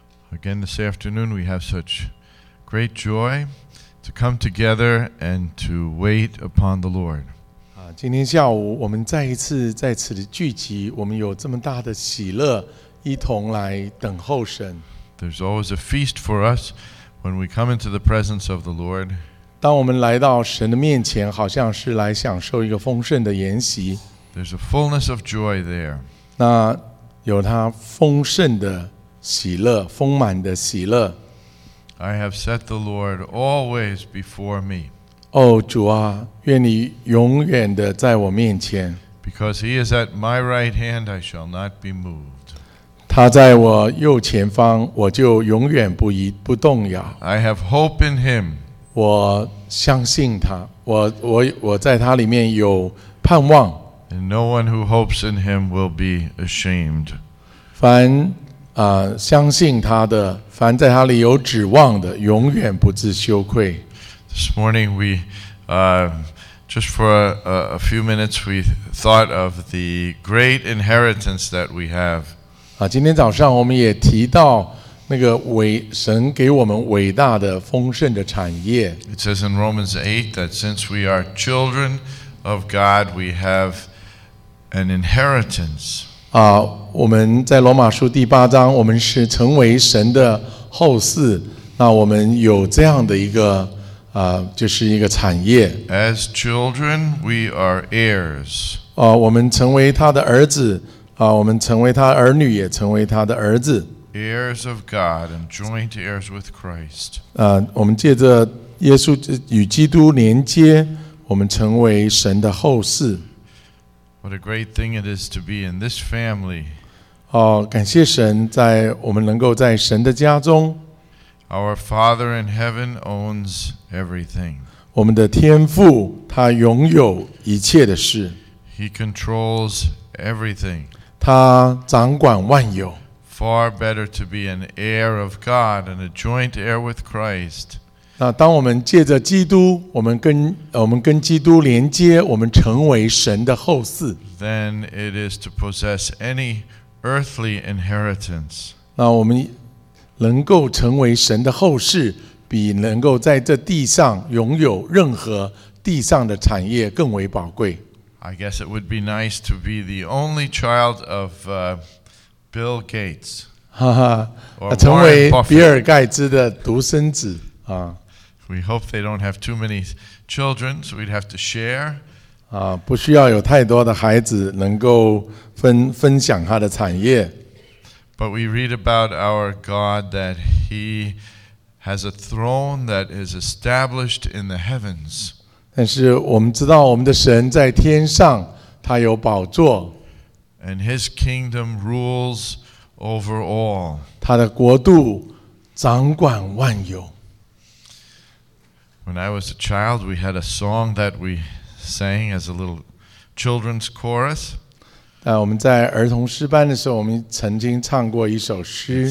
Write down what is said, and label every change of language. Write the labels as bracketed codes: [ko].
[en] Again, this afternoon we have such great joy to come together and to wait upon the Lord. [zh] 今天下午我们再一次在此聚集，我们有这么大的喜乐，一同来等候神。 [en] There's always a feast for us when we come into the presence of the Lord. [zh] 当我们来到神的面前，好像是来享受一个丰盛的筵席。 [en] There's a fullness of joy there. [zh] 那有他丰盛的。喜乐，丰满的喜乐。 [en] I have set the Lord always before me. [zh] 哦，主啊，愿你永远的在我面前。 [en] Because he is at my right hand, I shall not be moved. [zh] 他在我右前方，我就永远不动摇。 [en] I have hope in him. [zh] 我相信他，我在他里面有盼望。 [en] And no one who hopes in him will be ashamed. [zh] 凡相信他的，凡在他里有指望的，永远不自羞愧。 [en] This morning we, just for a few minutes, we thought of the great inheritance that we have. [zh] 今天早上我们也提到那个神给我们伟大的丰盛的产业。 [en] It says in Romans 8 that since we are children of God, we have an inheritance. [zh] 我们在罗马书第八章，我们是成为神的后嗣，那我们有这样的一个就是一个产业。 [en] As children, we are heirs. [zh] 我们成为他的儿子，我们成为他儿女，也成为他的儿子。 [en] Heirs of God and joint heirs with Christ. [zh] 我们借着耶稣与基督连接，我们成为神的后嗣。 [en] What a great thing it is to be in this family. [zh] 感谢神，在我们能够在神的家中。 [en] Our Father in heaven owns everything. [zh] 我们的天父，他拥有一切的事。 [en] He controls everything. [zh] 他掌管万有。 [en] Far better to be an heir of God and a joint heir with Christ. [zh] 那当我们借着基督，我们跟基督连接，我们成为神的后嗣。 [en] Then it is to possess any earthly inheritance. [zh] 那我们能够成为神的后嗣，比能够在这地上拥有任何地上的产业更为宝贵。 [en] I guess it would be nice to be the only child of Bill Gates. [zh] 哈哈，成为比尔盖茨的独生子。 [en] We hope they don't have too many children, so we'd have to share. [zh] 不需要有太多的孩子能够分享他的产业。 [en] But we read about our God that He has a throne that is established in the heavens. [zh] 但是我们知道我们的神在天上，他有宝座。 [en] And His kingdom rules over all. [zh] 他的国度掌管万有。 [en] When I was a child, we had a song that we sang as a little children's chorus. [zh] 我们在儿童诗班的时候，我们曾经唱过一首诗。